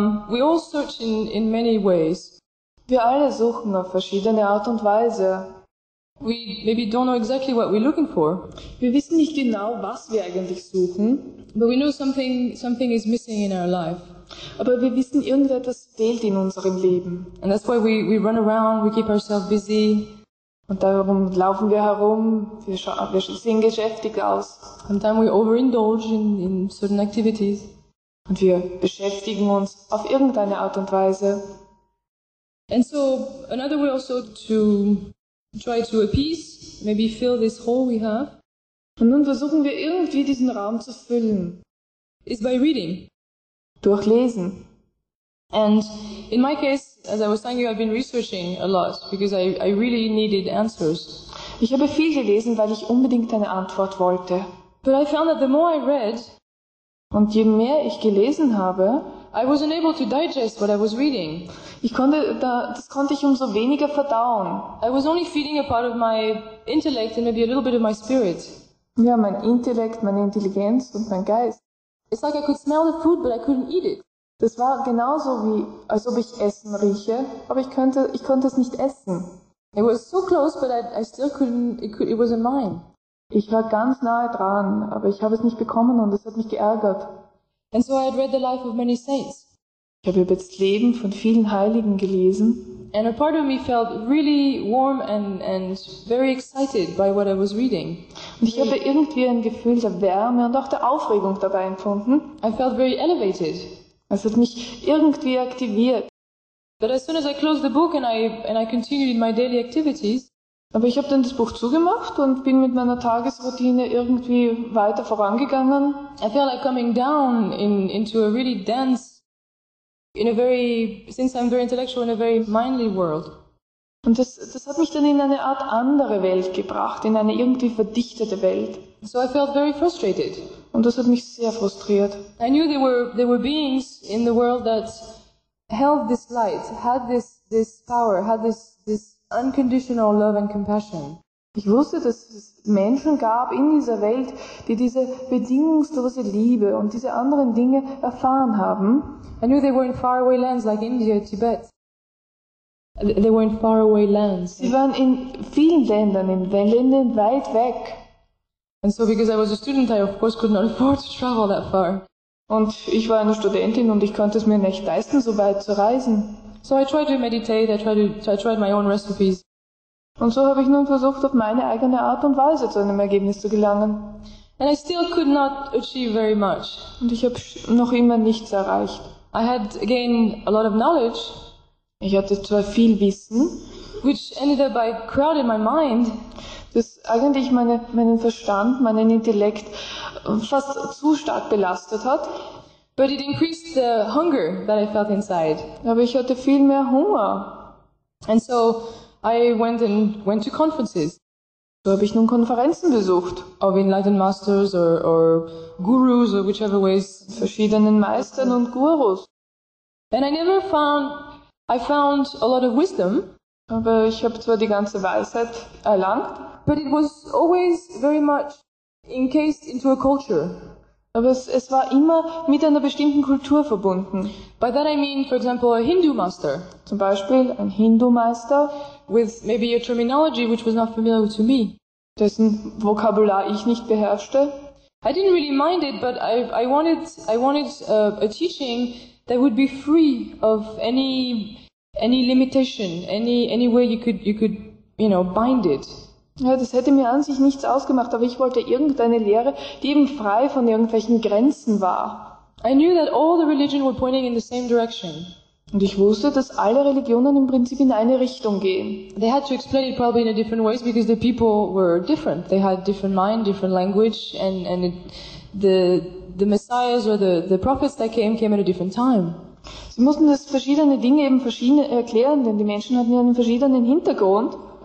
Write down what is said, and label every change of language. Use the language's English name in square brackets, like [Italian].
[English] We all search in many ways. [German] Wir alle suchen auf verschiedene Art und Weise. [English] We maybe don't know exactly what we're looking for. [German] Wir wissen nicht genau, was wir eigentlich suchen. [English] But we know something is missing in our life. [German] Aber wir wissen, irgendetwas fehlt in unserem Leben. [English] And that's why we run around, we keep ourselves busy. [German] Und darum laufen wir herum, wir sehen geschäftig aus. [English] Sometimes we overindulge in certain activities. [German] Und wir beschäftigen uns auf irgendeine Art und Weise. [English] And so another way also to try to appease, maybe fill this hole we have. [German] Und nun versuchen wir irgendwie diesen Raum zu füllen. [English] Is by reading. [German] Durchlesen. [English] And in my case, as I was telling you, I've been researching a lot because I really needed answers. [German] Ich habe viel gelesen, weil ich unbedingt eine Antwort wollte. [English] But I found that the more I read, [German] und je mehr ich gelesen habe, [English] I was unable to digest what I was reading. [German] Das konnte ich umso weniger verdauen. [English] I was only feeding a part of my intellect and maybe a little bit of my spirit. [German] Ja, mein Intellekt, meine Intelligenz und mein Geist. [English] It's like I could smell the food, but I couldn't eat it. [German] Das war genauso wie, als ob ich Essen rieche, aber ich konnte es nicht essen. [English] It was so close, but I still couldn't. It wasn't mine. [German] Ich war ganz nahe dran, aber ich habe es nicht bekommen und es hat mich geärgert. [English] And so I had read the life of many saints. [German] Ich habe über das Leben von vielen Heiligen gelesen. [English] And a part of me felt really warm and very excited by what I was reading. [German] Und ich habe irgendwie ein Gefühl der Wärme und auch der Aufregung dabei empfunden. [English] I felt very elevated. [German] Es hat mich irgendwie aktiviert. [English] But as soon as I closed the book and I continued my daily activities. [German] Aber ich habe dann das Buch zugemacht und bin mit meiner Tagesroutine irgendwie weiter vorangegangen. [English] I felt like coming down into a really dense, since I'm very intellectual, in a very mindly world. [German] Und das hat mich dann in eine Art andere Welt gebracht, in eine irgendwie verdichtete Welt. [English] So I felt very frustrated. [German] Und das hat mich sehr frustriert. [English] I knew there were beings in the world that held this light, had this power, had this unconditional love and compassion. [German] Ich wusste, dass es Menschen gab in dieser Welt, die diese bedingungslose Liebe und diese anderen Dinge erfahren haben. [English] I knew they were in faraway lands like India, Tibet. They were in faraway lands. [German] Sie waren in vielen Ländern, in Ländern weit weg. [English] And so because I was a student, I of course could not afford to travel that far. [German] Und ich war eine Studentin und ich konnte es mir nicht leisten, so weit zu reisen. [English] So I tried to meditate, I tried my own recipes. [German] Und so habe ich nun versucht, auf meine eigene Art und Weise zu einem Ergebnis zu gelangen. [English] And I still could not achieve very much. [German] Und ich habe noch immer nichts erreicht. [English] I had gained a lot of knowledge. [German] Ich hatte zwar viel Wissen, [English] which ended up by crowding my mind, [German] das eigentlich meinen Verstand, meinen Intellekt fast zu stark belastet hat. [English] But it increased the hunger that I felt inside. [German] Aber ich hatte viel mehr Hunger. [English] And so I went to conferences. [German] So habe ich nun Konferenzen besucht. [English] Of enlightened masters or gurus or whichever ways. [German] Verschiedenen Meistern und Gurus. [English] And I found a lot of wisdom. [German] Aber ich habe zwar die ganze Weisheit erlangt. [English] But it was always very much encased into a culture. [German] Aber es war immer mit einer bestimmten Kultur verbunden. [English] By that I mean, for example, a Hindu master. [German] Zum Beispiel ein Hindu-Meister. [English] With maybe a terminology which was not familiar to me. [German] Dessen Vokabular ich nicht beherrschte. [English] I didn't really mind it, but I wanted a teaching that would be free of any limitation, any way you could bind it. [German] Ja, das hätte mir an sich nichts ausgemacht, aber ich wollte irgendeine Lehre, die eben frei von irgendwelchen Grenzen war. [English] I knew that all the religion were pointing in the same direction. [German] Und ich wusste, dass alle Religionen im Prinzip in eine Richtung gehen. [English] They had to explain it probably in a different ways because the people were different. They had different mind, different language and the messiahs or the prophets that came at a different time. [German] Sie mussten das verschiedene Dinge eben verschieden erklären, denn die Menschen hatten ja einen verschiedenen Hintergrund.